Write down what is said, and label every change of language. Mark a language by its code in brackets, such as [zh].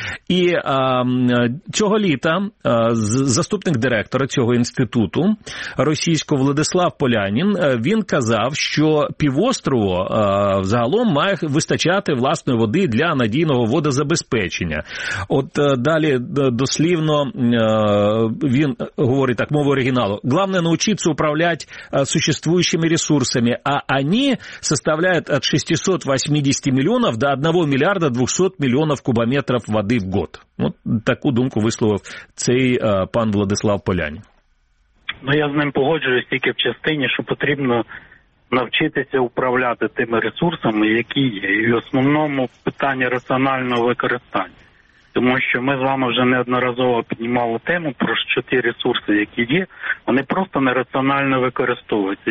[uk] І цього літа заступник директора цього інституту російського Владислав Полянін, він казав, що півострову взагалом має вистачати власної води для надійного водозабезпечення. От далі дослівно він говорить так, мова оригіналу: [ru] «Главное научиться управлять существующими ресурсами, а они составляют от 680 миллионов до 1 миллиарда 200 миллионов кубометров воды в год». [uk] Вот такую думку висловив цей пан Владислав Полянін. Ну, я з ним погоджуюсь тільки в частині, що потрібно навчитися управляти тими ресурсами, які є. І в основному питання раціонального використання. Тому що ми з вами вже неодноразово піднімали тему про що ті ресурси, які є, вони просто нераціонально використовуються.